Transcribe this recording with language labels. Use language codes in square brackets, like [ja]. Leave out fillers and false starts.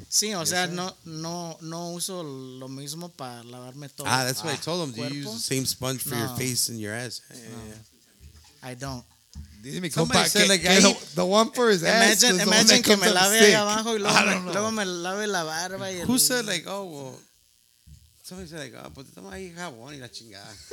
[es] Sí, o sea, no uso lo mismo para lavarme todo. [en] Ah, that's what I told him. Do you use the same sponge for your face and your ass? No. I don't. [es] Dice mi compa, [en] the one for his ass. [es] Imagine que me lave ahí abajo y luego me lave la barba. [en] Who said, like, oh, well. Somebody said, like, oh, [es] pues toma ahí jabón y la chingada.